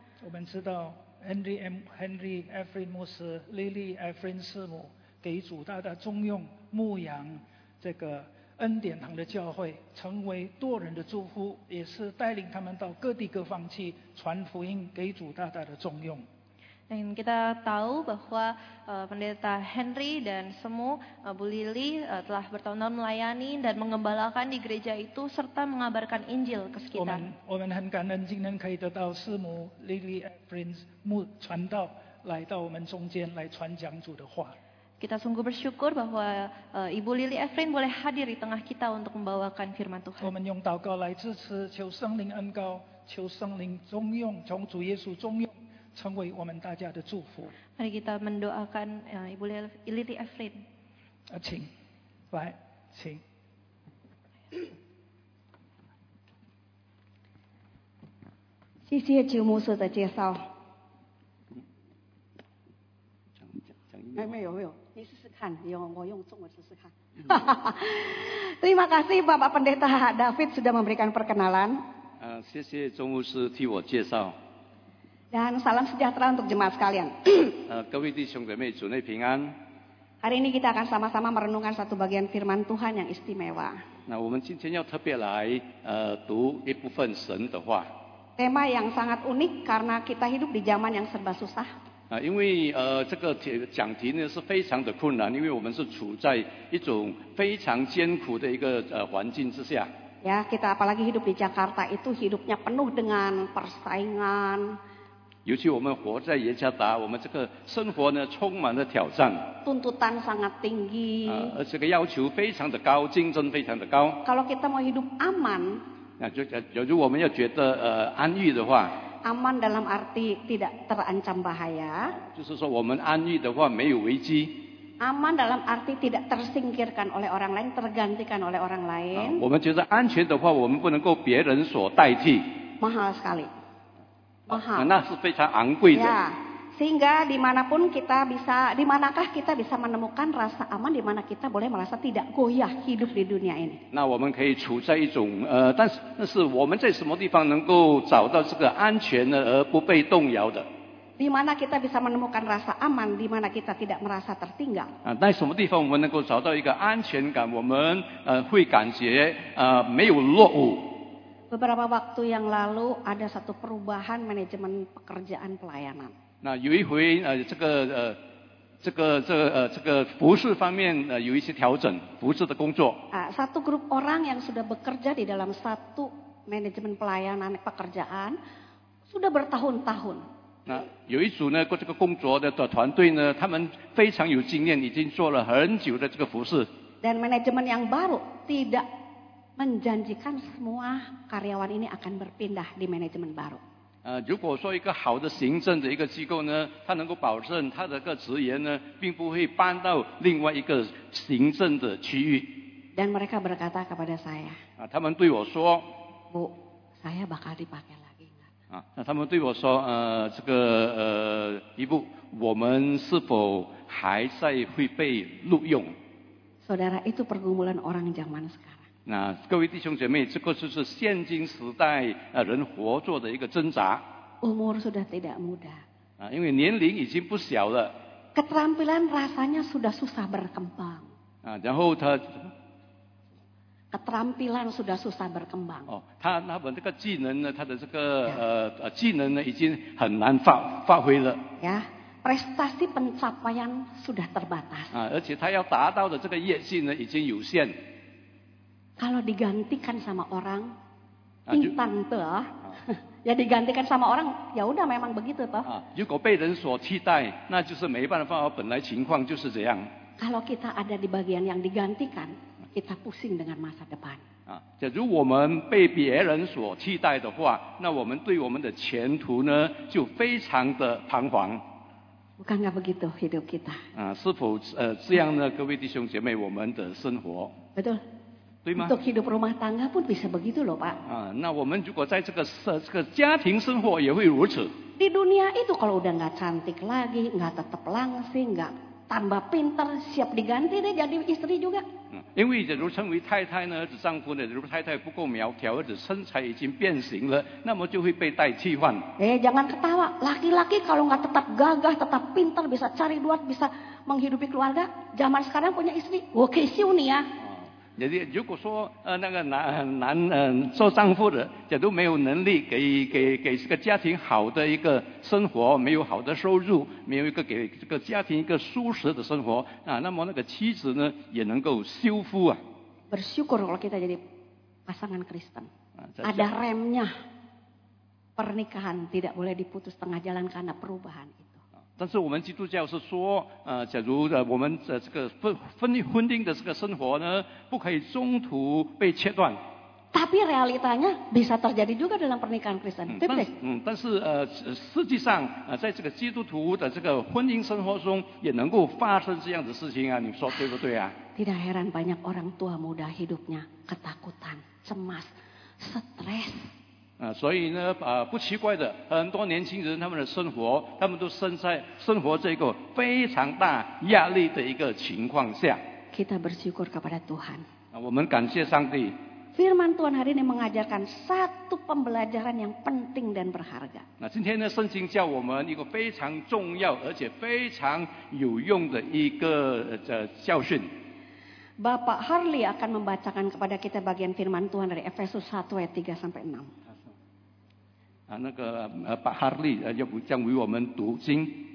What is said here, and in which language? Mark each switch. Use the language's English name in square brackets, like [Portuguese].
[Chinese] 我们知道 Henry Efrin 牧师 Lily Efrin 师母给主大大重用，牧养这个恩典堂的教会，成为多人的祝福，也是带领他们到各地各方去传福音，给主大大的重用。 [Indonesian] Dan kita tahu bahwa pendeta Henry dan semua Bu Lily telah bertahun-tahun melayani dan mengembalakan di gereja itu serta mengabarkan Injil ke sekitar. [Chinese] 我们很感恩今天可以得到师母 Lily Prince 牧传道来到我们中间来传讲主的话。 [Indonesian] Kita sungguh bersyukur bahwa Ibu Lily Efrin boleh hadir di tengah kita untuk membawakan firman Tuhan. [Chinese] 我们用祷告来支持，求圣灵恩膏，求圣灵重用，从主耶稣重用，成为我们大家的祝福。 [Indonesian] Mari kita mendoakan Ibu Lily Efrin. [Chinese] 请，来，请。谢谢邱牧师的介绍。没有，你试试看，我用中文试试看。 [Indonesian] Terima kasih Bapak Pendeta David sudah memberikan perkenalan. [Chinese] 谢谢钟牧师替我介绍。 [Indonesian] Dan salam sejahtera untuk jemaat sekalian. [Chinese] 各位弟兄姐妹，主内平安。 [Indonesian] Hari ini kita akan sama-sama merenungkan satu bagian firman Tuhan yang istimewa. [Chinese] 那我们今天要特别来读一部分神的话。 [Indonesian] Tema yang sangat unik karena kita hidup di zaman yang serba susah. [Chinese] 因为这个讲题呢是非常的困难，因为我们是处在一种非常艰苦的一个环境之下。 [Indonesian] Ya, kita apalagi hidup di Jakarta itu hidupnya penuh dengan persaingan. [Chinese] 尤其我们活在耶加达，我们这个生活呢充满了挑战。 [Indonesian] Tuntutan sangat tinggi. [Chinese] 这个要求非常的高，竞争非常的高。 [Indonesian] Kalau kita mau hidup aman. [Chinese] 就我们要觉得安逸的话。 [Indonesian] Aman dalam arti tidak terancam bahaya. [Chinese] 就是说我们安逸的话没有危机。 [Indonesian] Aman dalam arti tidak tersingkirkan oleh orang lain, tergantikan oleh orang lain. [Chinese] 我们觉得安全的话我们不能够别人所代替。 [Indonesian] Mahal sekali. Mahal. [Chinese] 那是非常昂贵的。 [Indonesian] Ya, sehingga dimanapun kita bisa, dimanakah kita bisa menemukan rasa aman di mana kita boleh merasa tidak goyah hidup di dunia ini. [Chinese] 那我们可以处在一种但是我们在什么地方能够找到这个安全呢而不被动摇的？ [Indonesian] Di mana kita bisa menemukan rasa aman di mana kita tidak merasa tertinggal? [Chinese] 在什么地方我们能够找到一个安全感，我们会感觉没有落伍。 [Indonesian] Beberapa waktu yang lalu ada satu perubahan manajemen pekerjaan pelayanan. [Chinese] 那有一回这个服事方面有一些调整，服事的工作。 [Indonesian] Satu grup orang yang sudah bekerja di dalam satu manajemen pelayanan pekerjaan sudah bertahun-tahun. [Chinese] 那有一组呢，这个工作的团队呢，他们非常有经验，已经做了很久的这个服事。 [Indonesian] Dan manajemen yang baru tidak menjanjikan semua karyawan ini akan berpindah di manajemen baru. [Chinese] 如果说一个好的行政的一个机构呢，他能够保证他的个职员呢，并不会搬到另外一个行政的区域。 [Indonesian] Dan mereka berkata kepada saya. [Chinese] 他们对我说。 [Indonesian] Bu, saya bakal dipakai lagi. [Chinese] 那他们对我说，这个一部，我们是否还在会被录用？ [Indonesian] Saudara, itu pergumulan orang zaman sekarang. [Chinese] 那各位弟兄姐妹，这个就是现今时代人活着的一个挣扎。 [Indonesian] Umur sudah tidak muda. [Chinese] 因为年龄已经不小了。 [Indonesian] Keterampilan rasanya sudah susah berkembang. [Chinese] 然后他。 [Indonesian] Keterampilan sudah susah berkembang. [Chinese] 他们这个技能呢，他的这个技能呢，已经很难发挥了。 [Indonesian] 呀。Prestasi pencapaian sudah terbatas. [Chinese] 而且他要达到的这个业绩呢，已经有限。 [Indonesian] Kalau digantikan sama orang, pintar tuh. Ya digantikan sama orang, ya udah memang begitu tuh. [Chinese] 如果被人所替代，那就是没办法，本来情况就是这样。 [Indonesian] Kalau kita ada di bagian yang digantikan, kita pusing dengan masa depan. [Chinese] 假如我们被别人所替代的话，那我们对我们的前途呢，就非常的彷徨。 [Indonesian] Bukankah begitu hidup kita? [Chinese] 是否这样呢？各位弟兄姐妹，我们的生活。 [Indonesian] Betul. [Chinese] 对吗？ [Indonesian] Untuk hidup rumah tangga pun bisa begitu loh, Pak. [Chinese] 那我们如果在这个家庭生活也会如此。 [Indonesian] Di dunia itu kalau udah nggak cantik lagi, nggak tetap langsing, nggak tambah pinter, siap diganti deh jadi istri juga. [Chinese] 因为假如称为太太呢，丈夫呢，如果太太不够苗条，或者身材已经变形了，那么就会被代替换。 [Indonesian] Jangan ketawa. Laki-laki kalau nggak tetap gagah, tetap pinter, bisa cari duit, bisa menghidupi keluarga, zaman sekarang punya istri, oke sih nih ya. [Chinese] 如果说那个男做丈夫的，假如没有能力给这个家庭好的一个生活，没有好的收入，没有一个给这个家庭一个舒适的生活那么那个妻子呢也能够修复啊。 [Indonesian] Bersyukur kalau kita jadi pasangan Kristen. Ada remnya. Pernikahan tidak boleh diputus tengah jalan karena perubahan itu. [Chinese] 但是我们基督教是说假如我们的这个婚姻的这个生活呢不可以中途被切断。 [Indonesian] Tapi realitanya bisa terjadi juga dalam pernikahan Kristen, [Chinese] 对不对？但是实际上在这个基督徒的这个婚姻生活中也能够发生这样的事情啊，你说对不对啊？ [Indonesian] Tidak heran banyak orang tua muda hidupnya ketakutan, cemas, stres. [Chinese] 所以呢不奇怪的，很多年轻人他们的生活，他们都生活在一个非常大压力的一个情况下。 [Indonesian] Kita bersyukur kepada Tuhan. [Chinese] 我们感谢上帝。 [Indonesian] Firman Tuhan hari ini mengajarkan satu pembelajaran yang penting dan berharga. [Chinese] 今天呢，圣经教我们一个非常重要而且非常有用的一个教训。 [Indonesian] Bapak Harley akan membacakan kepada kita bagian Firman Tuhan dari Efesus 1 ayat 3 sampai 6. [Chinese] 那个巴哈利要不将为我们读经